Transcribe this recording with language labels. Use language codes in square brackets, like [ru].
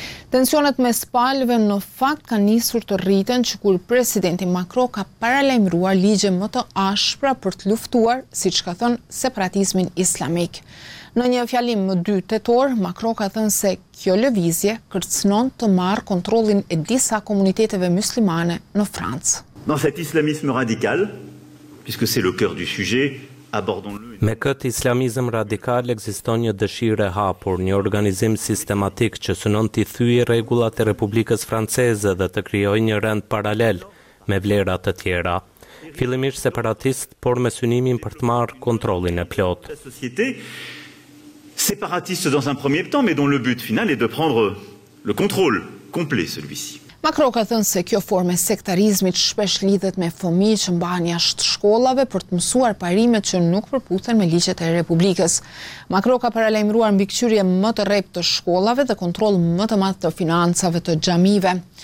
[sq] Tensionet mes palëve në fakt kanë nisur të rriten që kur presidenti Macron ka paralajmëruar ligje më të ashpra për të luftuar, siç ka thënë, separatizmin islamik. Në një fjalim më 2 tetor, Macron ka thënë se kjo lëvizje kërcënon të marrë kontrollin e disa komuniteteve muslimane në Francë. [fr] Dans cet islamisme radical, puisque c'est le cœur du sujet, abordons-le. [sq] Me këtë islamizëm radikal ekziston një dëshirë e hapur, një organizim sistematik që synon të thyejë rregullat e Republikës Franceze dhe të krijojë një rend paralel me vlera të tjera. Fillimisht separatist, por me synimin për të marrë kontrollin e plot. [fr] Séparatiste dans un premier temps, mais dont le but final est de prendre le contrôle complet celui-ci. [sq] Macron ka thënë se kjo forme sektarizmit shpesh lidhet me fëmijë që mbahen jashtë shkollave për të mësuar parimet që nuk përputhen me ligjet e Republikës. Macron ka paralajmëruar mbikëqyrje më të rrept të shkollave dhe kontroll më të madh të financave të xhamive.